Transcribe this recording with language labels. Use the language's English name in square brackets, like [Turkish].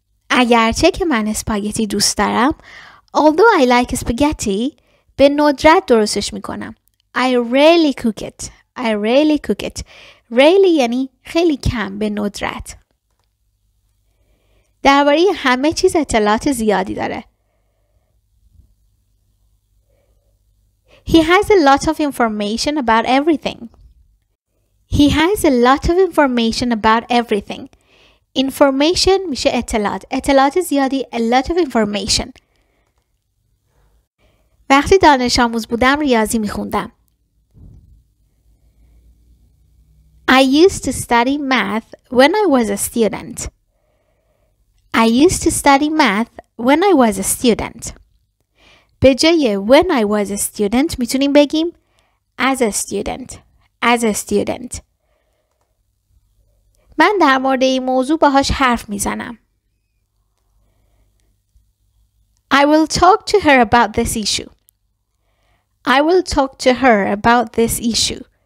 [Persian] اگرچه که من اسپاگتی دوست دارم، [English] although I like spaghetti, [Persian] به ندرت درستش میکنم. [English] I rarely cook it. I rarely cook it. [Persian] Rarely یعنی خیلی کم، به ندرت. درباره همه چیز اطلاعات زیادی داره. [English] He has a lot of information about everything. He has a lot of information about everything. [Persian] Information میشه اطلاعات. اطلاعات زیادی، [English] a lot of information. [Persian] وقتی دانش آموز بودم ریاضی میخوندم. [English] I used to study math when I was a student. I used to study math when I was a student. [Persian] به جای [English] when I was a student [Persian] میتونیم بگیم [English] as a student. As a student. [Persian] من در مورد این موضوع باهاش حرف میزنم. [English] I will talk to her about this issue. I will talk to her about this issue.